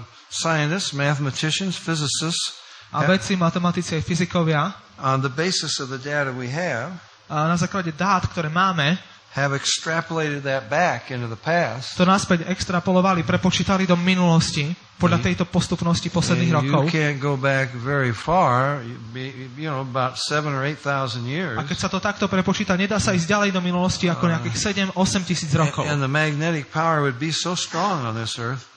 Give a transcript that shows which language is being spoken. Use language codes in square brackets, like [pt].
[en] Scientists, mathematicians, physicists. [sk] A vedci, matematici a fyzikovia. [en] On the basis of the data we have. [sk] Na základe dát, ktoré máme. [en] Have extrapolated that back into the past. [sk] To naspäť extrapolovali, prepočítali do minulosti podľa tejto postupnosti posledných rokov. [en] You can't go back very far, you know, about 7,000 or 8,000 years. [sk] A keď sa to takto prepočíta, nedá sa ísť ďalej do minulosti ako nejakých 7,000-8,000 rokov. [en] And the magnetic power would be so strong on this earth.